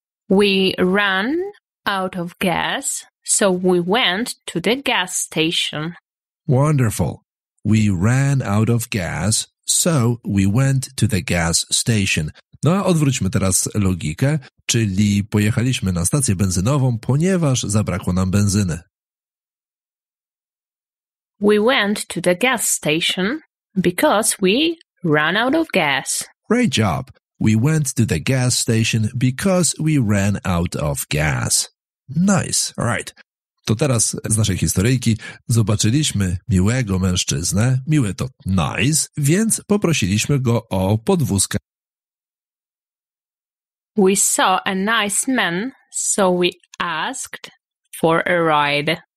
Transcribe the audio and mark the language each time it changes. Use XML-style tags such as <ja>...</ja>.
<en>We ran out of gas, so we went to the gas station. Wonderful. We ran out of gas, so we went to the gas station.</en> <pl>No a odwróćmy teraz logikę, czyli pojechaliśmy na stację benzynową, ponieważ zabrakło nam benzyny.</pl> <en>We went to the gas station because we ran out of gas. Great job. We went to the gas station because we ran out of gas. Nice. All right.</en> <pl>To teraz z naszej historyjki zobaczyliśmy miłego mężczyznę. Miły to nice, więc poprosiliśmy go o podwózkę.</pl> <en>We saw a nice man, so we asked for a ride.</en>